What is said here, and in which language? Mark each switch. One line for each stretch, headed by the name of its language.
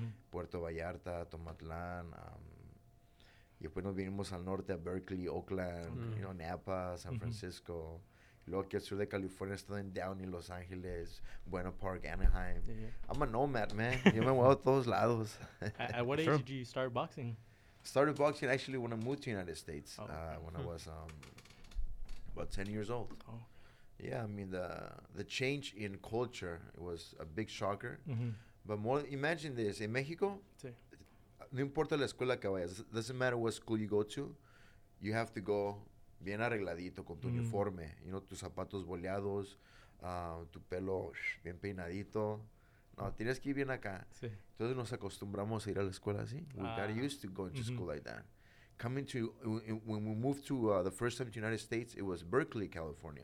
Spanish: Puerto Vallarta, Tomatlán, y después nos vinimos al norte, a Berkeley, Oakland, you know, Napa, San Francisco. Luego aquí al sur de California, estoy en Downey, Los Ángeles, Buena Park, Anaheim.
English: Yeah. I'm a nomad, man.
Spanish: Yo me muevo a todos lados.
English: At what age did you start boxing? Started boxing actually when I moved to the United States, I was about 10 years old. Oh. Yeah, I mean, the change in culture, it was a big shocker. Mm-hmm. But more, imagine this, in Mexico,
Spanish: no importa la escuela que vayas,
English: doesn't matter what school you go to, you have to go
Spanish: bien arregladito con tu uniforme,
English: you know,
Spanish: tus zapatos boleados, tu pelo bien peinadito. No, tienes que ir bien acá. Sí. Entonces nos acostumbramos a ir a la escuela así.
English: We got used to going to school like that. Coming to, when we moved to the first time to the United States, it was Berkeley, California.